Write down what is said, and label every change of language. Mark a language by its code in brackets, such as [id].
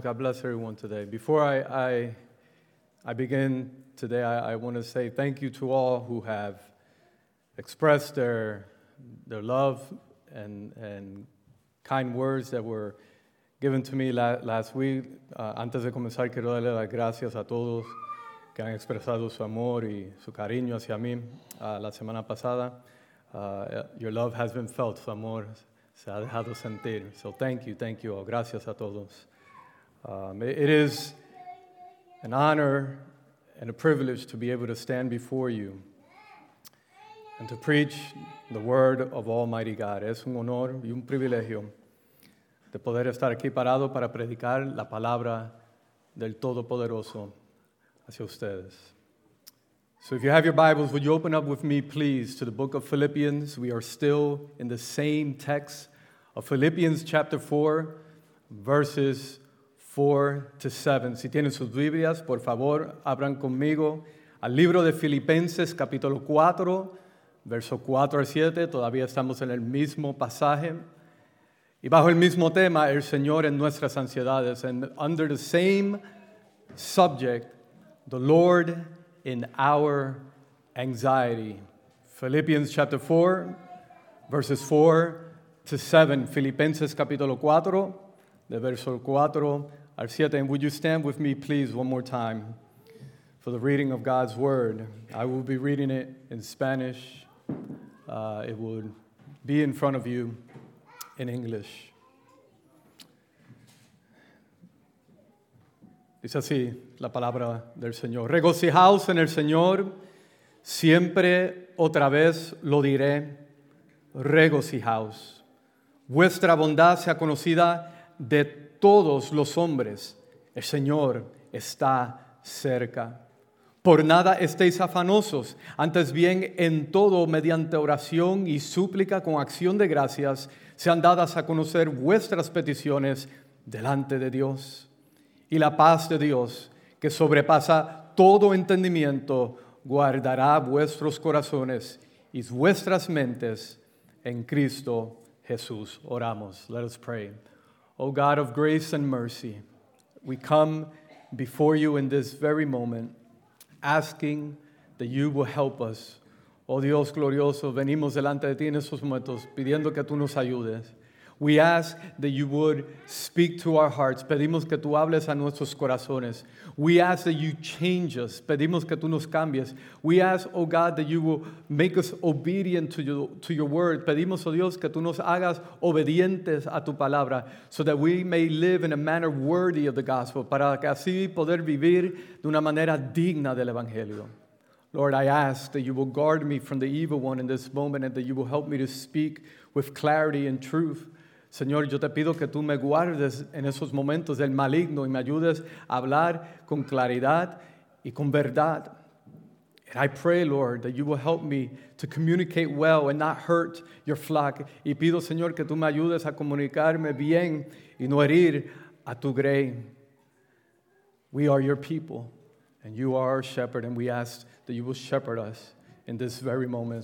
[en] God bless everyone today. Before I begin today, I want to say thank you to all who have expressed their love and kind words that were given to me last week. [es] Antes de comenzar, quiero darle las gracias a todos que han expresado su amor y su cariño hacia mí la semana pasada. [en] Your love has been felt, [es] su amor. Se ha dejado sentir. [en] So thank you all. [es] Gracias a todos. [en] It is an honor and a privilege to be able to stand before you and to preach the word of Almighty God. [es] Es un honor y un privilegio de poder estar aquí parado para predicar la palabra del Todopoderoso hacia ustedes. [en] So if you have your Bibles, would you open up with me, please, to the book of Philippians? We are still in the same text of Philippians chapter 4, verses 4 to 7. [es] Si tienen sus Biblias, por favor, abran conmigo al libro de Filipenses, capítulo 4, verso 4 al 7. Todavía estamos en el mismo pasaje. Y bajo el mismo tema, el Señor en nuestras ansiedades. [en] And under the same subject, the Lord in our anxiety. Philippians chapter 4, verses 4 to 7. [es] Filipenses capítulo 4, de verso 4 al 7. [en] And would you stand with me, please, one more time for the reading of God's word. I will be reading it in Spanish. It will be in front of you in English. [es] Dice así la palabra del Señor. Regocijaos en el Señor, siempre otra vez lo diré, regocijaos. Vuestra bondad sea conocida de todos los hombres. El Señor está cerca. Por nada estéis afanosos, antes bien en todo mediante oración y súplica con acción de gracias sean dadas a conocer vuestras peticiones delante de Dios. Y la paz de Dios, que sobrepasa todo entendimiento, guardará vuestros corazones y vuestras mentes en Cristo Jesús. Oramos. [en] Let us pray. O God of grace and mercy, we come before you in this very moment, asking that you will help us. [es] Oh Dios glorioso, venimos delante de ti en estos momentos, pidiendo que tú nos ayudes. [en] We ask that you would speak to our hearts. [es] Pedimos que tú hables a nuestros corazones. [en] We ask that you change us. [es] Pedimos que tú nos cambies. [en] We ask, oh God, that you will make us obedient to your word. [es] Pedimos, oh Dios, que tú nos hagas obedientes a tu palabra [en] so that we may live in a manner worthy of the gospel, [es] para que así poder vivir de una manera digna del evangelio. [en] Lord, I ask that you will guard me from the evil one in this moment and that you will help me to speak with clarity and truth. [es] Señor, yo te pido que tú me guardes en esos momentos del maligno y me ayudes a hablar con claridad y con verdad. [en] And I pray, Lord, that you will help me to communicate well and not hurt your flock. [es] Y pido, Señor, que tú me ayudes a comunicarme bien y no herir a tu grey. [en] We are your people, and you are our shepherd, and we ask that you will shepherd us in this very moment.